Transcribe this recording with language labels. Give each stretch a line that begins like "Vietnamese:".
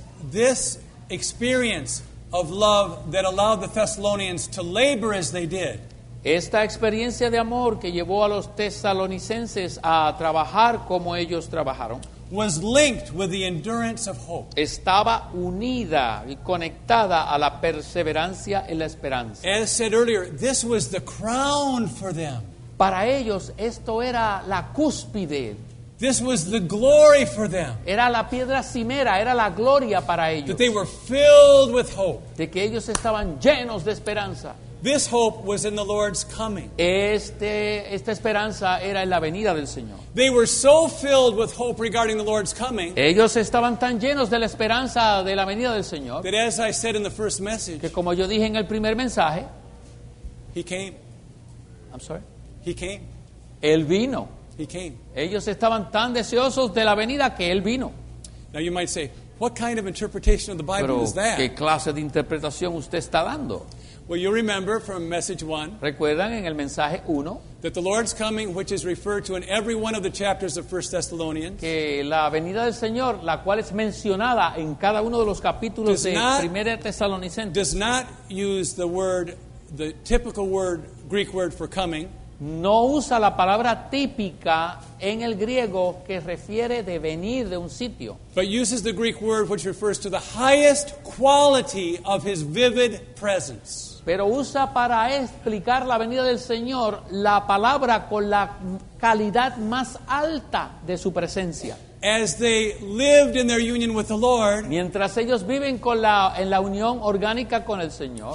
English: this experience of love that allowed the Thessalonians to labor as they did.
Spanish: Esta experiencia de amor que llevó a los tesalonicenses a trabajar como ellos trabajaron
English: was linked with the endurance of hope.
Spanish: Estaba unida y conectada a la perseverancia y la esperanza.
English: As said earlier, this was the crown for them.
Spanish: Para ellos esto era la cúspide.
English: This was the glory for them.
Spanish: Era la piedra cimera, era la gloria para ellos.
English: That they were filled with hope.
Spanish: De que ellos estaban llenos de esperanza.
English: This hope was in the Lord's coming.
Spanish: Esta esperanza era en la venida del Señor.
English: They were so filled with hope regarding the Lord's coming.
Spanish: Ellos estaban tan llenos de la esperanza de la venida del Señor.
English: That as I said in the first message.
Spanish: Que como yo dije en el primer mensaje.
English: He came. I'm sorry. He came.
Spanish: Él vino.
English: He came.
Spanish: Ellos estaban tan deseosos de la venida que Él vino.
English: Now you might say, what kind of interpretation of the Bible is that?
Spanish: Pero ¿qué clase de interpretación usted está dando?
English: Well, you remember from message 1.
Spanish: ¿Recuerdan en el mensaje 1?
English: That the Lord's coming, which is referred to in every one of the chapters of 1 Thessalonians.
Spanish: Que la venida del Señor, la cual es mencionada en cada uno de los capítulos de 1 Tesalonicenses.
English: Does not use the word, the typical word, Greek word for coming.
Spanish: No usa la palabra típica en el griego que refiere de venir de un sitio.
English: But uses the Greek word which refers to the highest quality of His vivid presence.
Spanish: Pero usa para explicar la venida del Señor la palabra con la calidad más alta de su presencia.
English: As they lived in their union with the Lord,
Spanish: mientras ellos viven con la en la unión orgánica con el Señor,